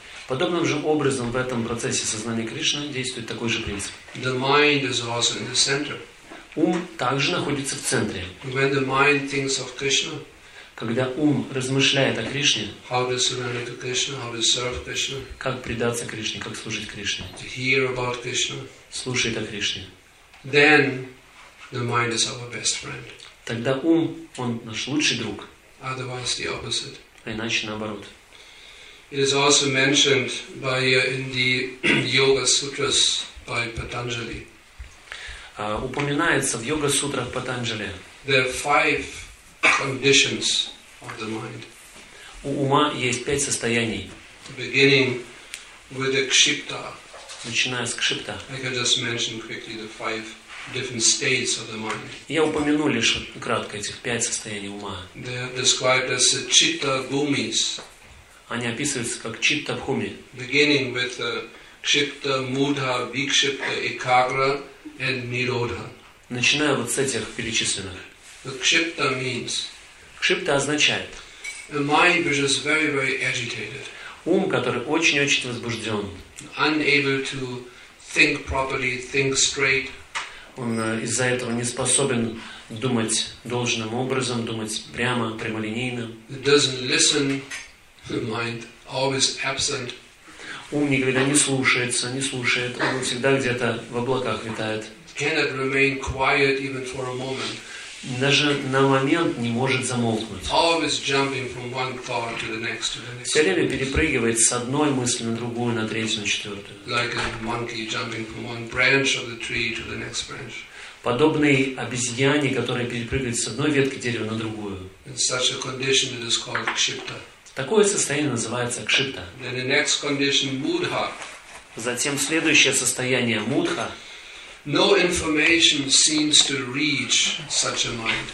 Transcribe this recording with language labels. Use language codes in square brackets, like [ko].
[ru] Подобным же образом в этом процессе сознания Кришны действует такой же принцип. [en] The mind is also in the center. [ru] Ум также находится в центре. [en] When the mind thinks of Krishna, [ru] когда ум размышляет о Кришне, [en] how to surrender to Krishna, how to serve Krishna, [ru] как предаться Кришне, как служить Кришне, [en] to hear about Krishna, [ru] слушает о Кришне, [en] then the mind is our best friend. [ru] Тогда ум, он наш лучший друг. [en] Otherwise the opposite. [ru] А иначе наоборот. [en] It is also mentioned by in the Yoga Sutras by Patanjali. [ru] Упоминается в Йога Сутрах Патанджали. [en] There are five conditions of the mind. [ru] У ума есть пять состояний. [en] Beginning with the Kshipta. [ru] Начиная с Кшипта. [en] I can just mention quickly the five different states of the mind. [ru] Я упомяну лишь кратко этих пять состояний ума. [en] They are described as Chitta Bhumis. [ru] Они описываются как Chitta Bhumi. [en] Beginning with Kshipta, Mudha, Vikshipta, Ekagra and Nirodha. [ru] Начиная вот с этих перечисленных. [en] Kshipta means. [ru] Kshipta означает. [en] A mind which is very, very agitated. [ru] Ум, который очень-очень возбужден. [en] Unable to think properly, think straight. [ru] Он из-за этого не способен думать должным образом, думать прямо, прямолинейно. [en] Doesn't listen. The mind always absent. [ru] Ум никогда не слушается, не слушает. Он всегда где-то в облаках витает. [en] Cannot remain quiet even for a moment. [ru] Даже на момент не может замолкнуть. [en] Always jumping from one thought to the next, to the next. [ru] Все время перепрыгивает с одной мысли на другую, на третью, на четвертую. [en] Like a monkey jumping from one branch of the tree to the next branch. [ru] Подобные обезьяне, которые перепрыгивают с одной ветки дерева на другую. [en] In such a condition it is called kshipta. [ru] Такое состояние называется кшипта. [en] Then the next condition, mudha. [ru] Затем следующее состояние мудха. [en] No information seems to reach such a mind.